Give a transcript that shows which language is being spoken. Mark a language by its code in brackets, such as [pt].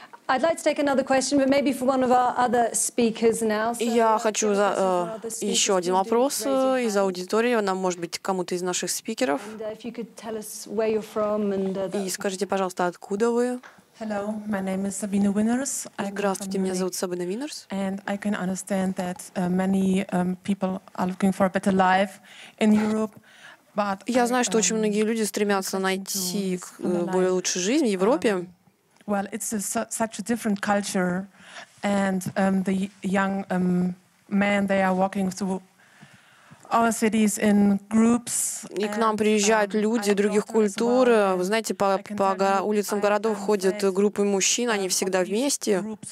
[en] I'd like to take another question, but maybe for one of our other speakers now. [ru] Я хочу еще один вопрос из аудитории. Нам, может быть, кому-то из наших спикеров. И скажите, пожалуйста, откуда вы? [en] Hello, my name is Sabine Winners. [ru] Здравствуйте, меня зовут Сабина Винерс. [en] And I can understand that many people are looking for a better life in Europe. But [ru] я знаю, что очень многие люди стремятся найти более лучшую жизнь в Европе. [en] Well, it's such a different culture, and the young men they are walking through. [ru] И к нам приезжают люди других культур. Вы знаете, по улицам городов ходят группы мужчин, они всегда вместе.